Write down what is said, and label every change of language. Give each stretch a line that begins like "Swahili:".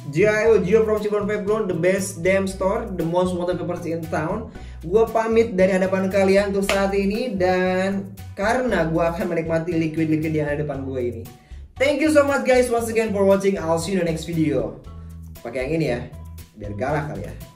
English: Gio, Gio from Cibon Pepron, the best damn store, the most modern papers in town.
Indonesian: Gua pamit dari hadapan kalian untuk saat ini dan karena gua akan menikmati liquid-liquid yang ada depan gua ini.
English: Thank you so much guys once again for watching. I'll see you in the next video.
Indonesian: Pakai yang ini ya, biar galak kali ya.